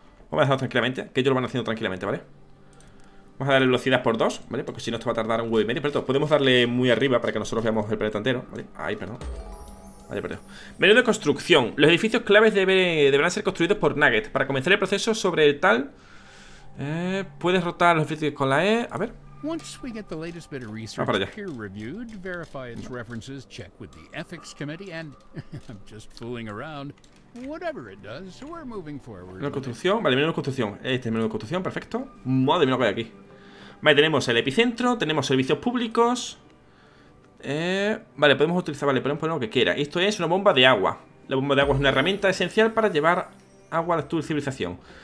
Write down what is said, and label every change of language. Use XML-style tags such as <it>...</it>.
<es>Vamos a dejarlo tranquilamente, que ellos lo van haciendo tranquilamente, ¿vale? Vamos a darle velocidad por 2, ¿vale? Porque si no, esto va a tardar un huevo y medio. Pero podemos darle muy arriba para que nosotros veamos el planeta entero, ¿vale? Ahí, perdón. Vale, perdón. Menú de construcción. Los edificios claves deberán ser construidos por Nugget. Para comenzar el proceso sobre el tal. Puedes rotar los edificios con la E. A ver.</es> <en>Once we get the latest bit of research peer reviewed, verify its references, check with the ethics committee, and I'm just fooling around. Whatever it does, we're moving forward.</en> <es>Menú de construcción, vale, menú de construcción. Este menú de construcción, perfecto. Madre mía, lo que hay aquí. Vale, tenemos el epicentro, tenemos servicios públicos. Vale, podemos utilizar, vale, podemos poner lo que quiera. Esto es una bomba de agua. La bomba de agua es una herramienta esencial para llevar agua a tu civilización.</es>